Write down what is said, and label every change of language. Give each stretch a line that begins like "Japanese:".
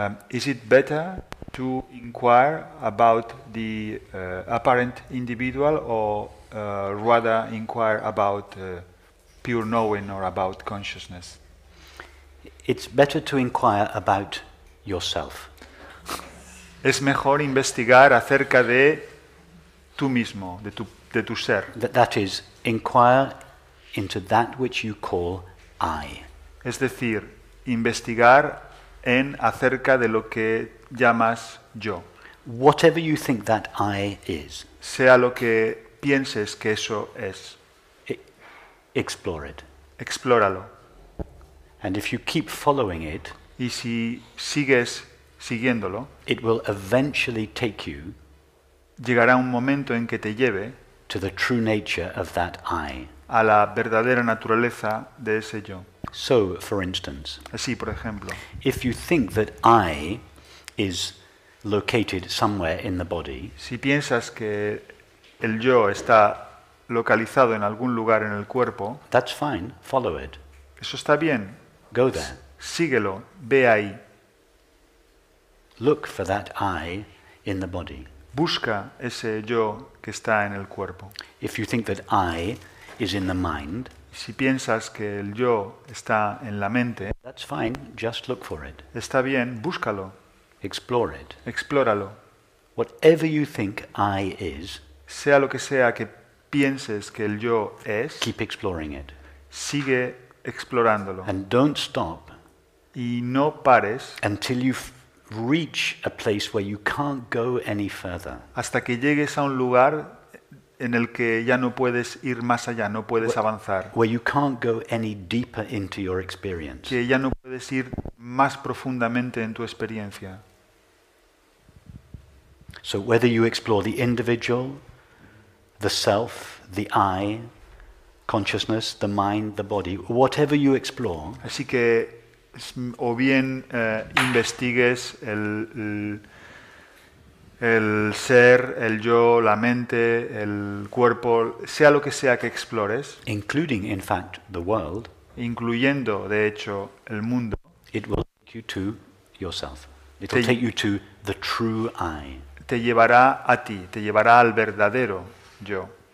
English: is it better to inquire about the apparent individual or rather inquire about pure knowing or about consciousness? It's better to inquire about yourself.
Spanish: Es mejor investigar acerca de tú mismo, de tu ser.
English: That is, inquire into that which you call I.
Spanish: Es decir, investigar en acerca de lo que llamas yo.
English: Whatever you think that I is.
Spanish: Sea lo que pienses que eso es.
English: Explore it.
Spanish: Explóralo.
English: And if you keep following it.
Spanish: Y si sigues siguiéndolo.
English: It will eventually take you.
Spanish: Llegará un momento en que te lleve.
English: To the true nature of that I.
Spanish: A la verdadera naturaleza de ese yo.
English: So, for instance,
Spanish: así, por ejemplo,
English: if you think that I is located somewhere in the body,
Spanish: si piensas que el yo está localizado en algún lugar en el cuerpo,
English: that's fine, follow it.
Spanish: Eso está bien.
English: Go there.
Spanish: Síguelo, ve ahí.
English: Look for that I in the body.
Spanish: Busca ese yo que está en el cuerpo.
English: If you think that I is in the mind,
Spanish: si piensas que el yo está en la mente,
English: that's fine, just look for it.
Spanish: Está bien, búscalo.
English: Explore it.
Spanish: Explóralo.
English: Whatever you think I is,
Spanish: sea lo que sea que pienses que el yo es,
English: keep exploring it.
Spanish: Sigue explorándolo.
English: And don't stop.
Spanish: Y no pares
English: until you reach a place where you can't go any further.
Spanish: Hasta que llegues a un lugar en el que ya no puedes ir más allá, no puedes avanzar.
English: Where you can't go any deeper into your experience.
Spanish: Que ya no puedes ir más profundamente en tu experiencia.
English: So whether you explore the individual, the self, the I, consciousness, the mind, the body, whatever you explore.
Spanish: Así que, o bien investigues el ser, el yo, la mente, el cuerpo, sea lo que sea que explores.
English: Including, in fact, the world.
Spanish: Incluyendo, de hecho, el mundo.
English: It will take you to yourself. It will take you to the true I.
Spanish: Te llevará a ti, te llevará al verdadero yo.